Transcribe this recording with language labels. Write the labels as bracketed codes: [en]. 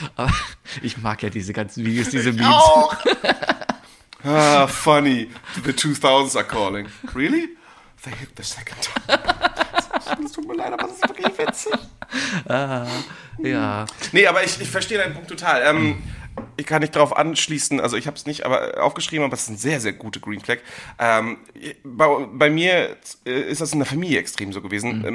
[de] Aber ich mag ja diese ganzen Videos, diese Memes. Ich auch! [en] Ah, funny, the 2000s are calling. Really? They hit the second tower. [de] Das tut mir leid, aber das ist wirklich witzig. Ah, ja. Nee, aber ich verstehe deinen Punkt total. Ich kann nicht darauf anschließen, also ich habe es nicht aber aufgeschrieben, aber es ist ein sehr, sehr guter Green Flag. Bei mir ist das in der Familie extrem so gewesen. Mhm.